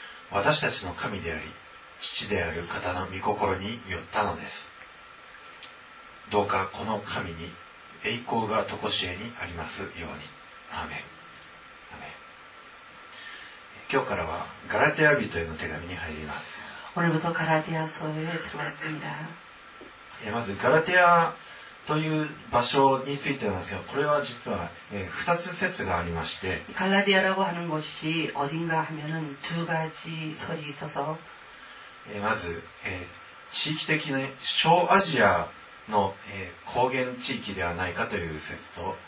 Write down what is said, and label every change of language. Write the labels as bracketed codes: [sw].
[ja] 私たちの神であり父である方の御心によったのです。どうかこの神に栄光がとこしえにありますように。アーメン。今日からはガラテヤ人への手紙に入ります。 [ko] 오늘부터갈라디아서에들어왔습니다。 [ja] まずガラテヤという場所についてなんですが、これは実は2つ説がありまして、 [ko] 갈라디아라고하는곳이어딘가하면은두가지설이있어서 [ja] まず地域的に小アジアの高原地域ではないかという説と、